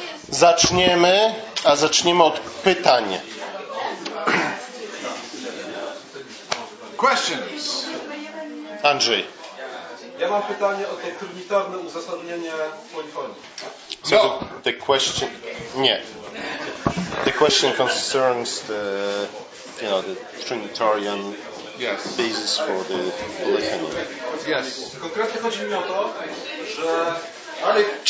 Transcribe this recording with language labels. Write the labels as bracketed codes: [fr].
[pl] Zaczniemy, a zaczniemy od pytań. [en] Questions. [pl] Andrzej. Ja mam pytanie o to trójmitarne uzasadnienie polifonii. [en] So no. The question. Nie. The question concerns the, you know, the trinitarian basis for the polyphony. Yes. [pl] Konkretnie chodzi mi o to, że Alek...